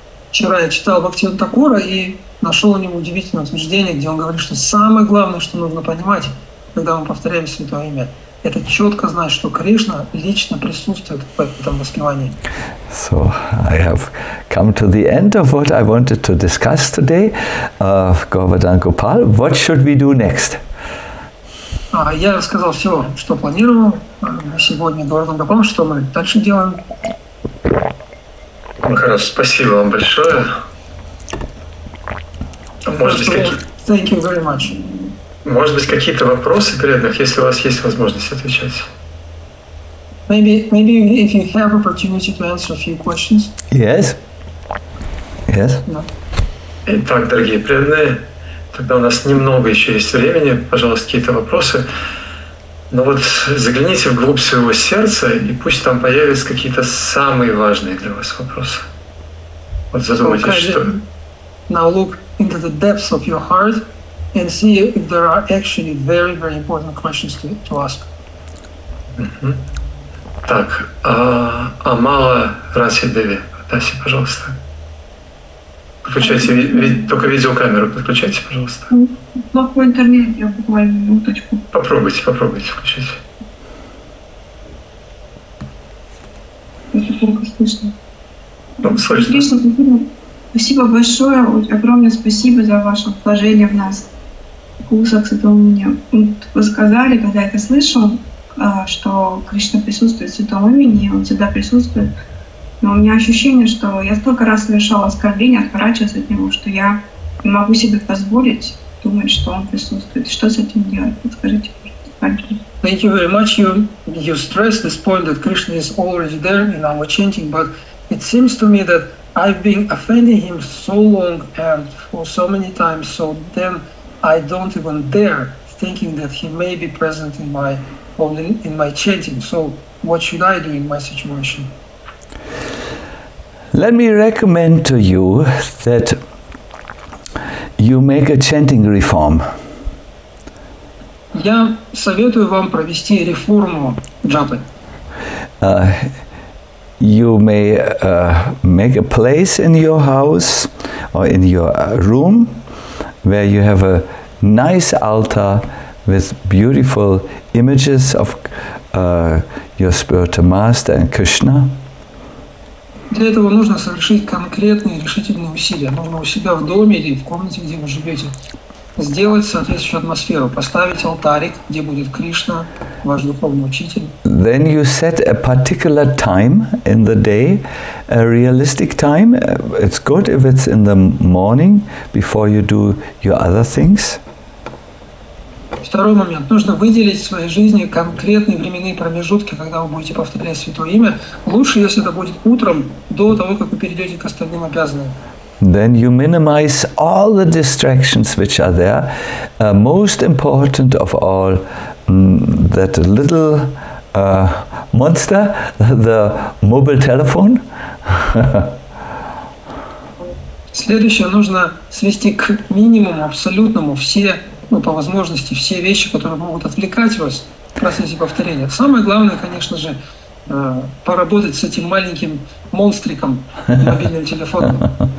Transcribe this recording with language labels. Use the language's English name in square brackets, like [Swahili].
[Russian] Вчера я читал Бхактивинода Такура и нашел у него удивительное утверждение, где он говорит, что самое главное, что нужно понимать, когда мы повторяем Святое Имя, это четко знать, что Кришна лично присутствует в этом воспевании. [English] So, I have come to the end of what I wanted to discuss today. Govardhan Gopal, what should we do next? [Russian] Я рассказал все, что планировал сегодня Говардхан Гопал, что мы дальше делаем. Хорошо, спасибо вам большое. [English] Thank you very much. [Russian] Может быть, какие-то вопросы преданных, если у вас есть возможность отвечать. [English] Maybe if you have opportunity to answer a few questions. Yes. Yes. No. [Russian] Итак, дорогие преданные, тогда у нас немного еще есть времени, пожалуйста, какие-то вопросы. Но вот загляните вглубь своего сердца, и пусть там появятся какие-то самые важные для вас вопросы. Вот задумайтесь, что... [English] Now look into the depths of your heart and see if there are actually very, very important questions to ask. [Russian] Так, Амала Раси Деви, подайте, пожалуйста. Подключайте, только видеокамеру подключайте, пожалуйста. Плохой интернет, я буквально минуточку. Попробуйте включить. Это плохо слышно. Слышно. Спасибо большое, огромное спасибо за ваше вложение в нас. Вкусок с этого мне. Вы сказали, когда я это слышал, что Кришна присутствует в святом имени, он всегда присутствует. Но у меня ощущение, что я столько раз совершала оскорбление, отворачиваясь от него, что я не могу себе позволить думать, что он присутствует. Что с этим делать? Подскажите, пожалуйста. [English] Thank you very much. You stressed this point that Krishna is already there in our chanting, but it seems to me that I've been offending him so long and for so many times, so then I don't even dare thinking that he may be present in my only in my chanting. So what should I do in my situation? Let me recommend to you that you make a chanting reform. [Russian] Я советую вам провести реформу джапы. [English] You may make a place in your house or in your room where you have a nice altar with beautiful images of your spiritual master and Krishna. [Russian] Для этого нужно совершить конкретные решительные усилия. Нужно у себя в доме или в комнате, где вы живете, сделать соответствующую атмосферу, поставить алтарик, где будет Кришна, ваш духовный учитель. [English] Then you set a particular time in the day, a realistic time. It's good if it's in the morning before you do your other things. [Russian] Второй момент. Нужно выделить в своей жизни конкретные временные промежутки, когда вы будете повторять святое имя. Лучше, если это будет утром, до того, как вы перейдете к остальным обязанным. [English] Then you minimize all the distractions which are there. Most important of all, that little monster, the mobile telephone. [Russian] Следующее. Нужно свести к минимуму, абсолютному, все... Ну, по возможности, все вещи, которые могут отвлекать вас в процессе повторения. Самое главное, конечно же, поработать с этим маленьким монстриком, мобильным телефоном.